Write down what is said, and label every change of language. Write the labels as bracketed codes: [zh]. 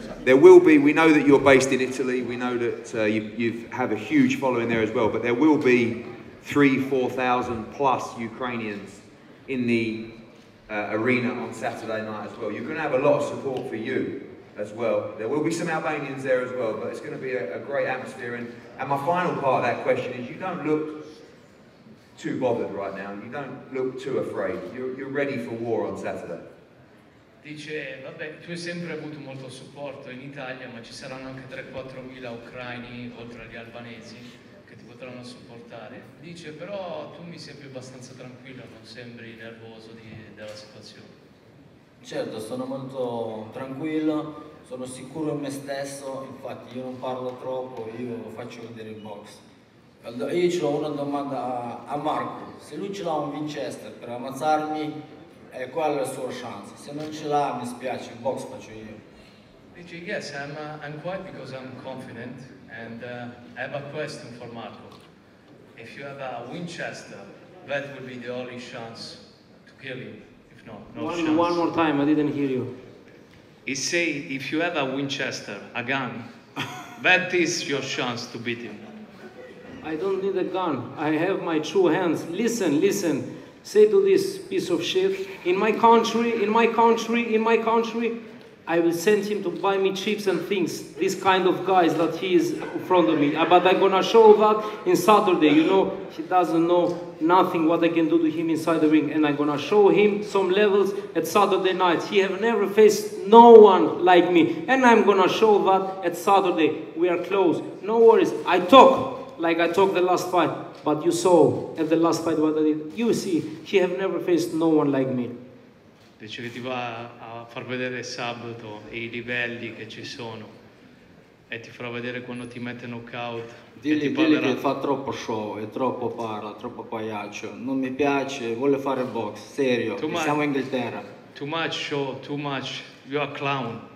[en] There will be, we know that you're based in Italy, we know that you've have a huge following there as well, but there will be 3,000-4,000 plus Ukrainians in the arena on Saturday night as well. You're going to have a lot of support for you as well. There will be some Albanians there as well, but it's going to be a great atmosphere. And my final part of that question is, you don't look too bothered right now. You don't look too afraid. You're ready for war on Saturday. [it] Dice, vabbè, tu hai sempre avuto molto supporto in Italia, ma ci saranno anche 3,000-4,000 ucraini, oltre agli albanesi, che ti potranno supportare. Dice, però tu mi sembri abbastanza tranquillo, non sembri nervoso della situazione. Certo, sono molto tranquillo, sono sicuro in me stesso, infatti io non parlo troppo, io lo faccio vedere in box. Allora, io ce l'ho una domanda a Marco, se lui ce l'ha un Winchester per ammazzarmi, qual è la sua chance? Se non ce l'ha, mi spiace, in box faccio io. [en] Dice, yes, I'm quiet because I'm confident and I have a question for Marco. If you have a Winchester, that would be the only chance to kill him. One more time, I didn't hear you. He say, if you have a Winchester, a gun, that is your chance to beat him. I don't need a gun. I have my two hands. Listen. Say to this piece of shit, in my country, I will send him to buy me chips and things. This kind of guys that he is in front of me. But I'm gonna show that in Saturday. You know, he doesn't know nothing what I can do to him inside the ring. And I'm gonna show him some levels at Saturday night. He have never faced no one like me. And I'm gonna show that at Saturday. We are close. No worries. I talk like I talked the last fight. But you saw at the last fight what I did. You see, he have never faced no one like me. [it] Dice che ti va a far vedere sabato i livelli che ci sono e ti farà vedere quando ti mette knockout. Dilli che fa troppo show, è troppo parla, troppo pagliaccio. Non mi piace, vuole fare box, serio, siamo in Inghilterra. [en] Too much show, too much, you are clown.